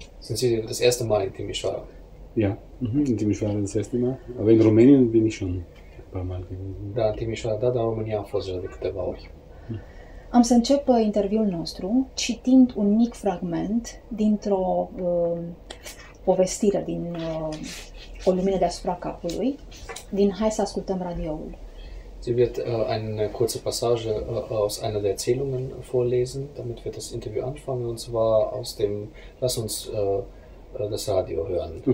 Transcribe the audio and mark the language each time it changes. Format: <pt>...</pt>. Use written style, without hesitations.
<de>Sunt Sie das erste Mal in Timișoara? Ja, in Timișoara das erste Mal, aber in Rumänien bin ich schon.</de> <ro>Da, Timișoara, da, dar România a fost de câteva ori. Am să încep interviul nostru citind un mic fragment dintr-o povestire din O lumină deasupra capului, din Hai să ascultăm radioul.</ro> <de>Sie wird eine kurze Passage aus einer der Erzählungen vorlesen, damit wir das Interview anfangen, und zwar aus dem Lass uns das Radio hören.</de>